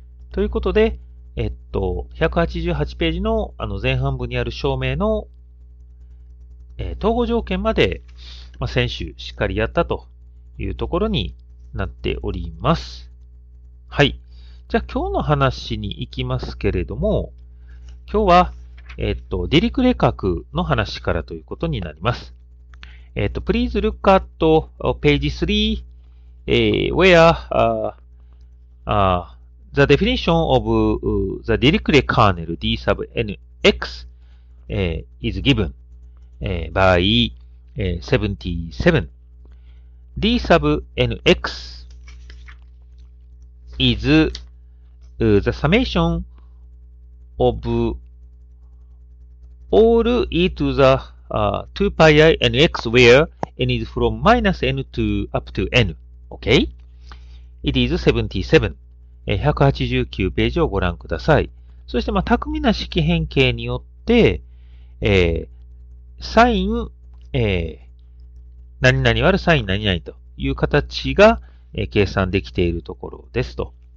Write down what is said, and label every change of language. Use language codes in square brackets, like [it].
[ja] ということで、188ページの前半部にある証明の、統合条件まで、まあ、先週しっかりやったというところになっております。はい。じゃあ今日の話に行きますけれども、今日は、ディリクレ角の話からということになります。 [en] Please look at page 3, where the definition of the Dirichlet kernel d sub nx is given by 77. D sub nx is the summation of all e to the 2pi i nx where n is from minus n to up to n. Okay? It is 77. [ja] 189ページをご覧ください。そして、まあ、巧みな式変形によって、sin 何々割るサイン何々という形が、計算できているところですと。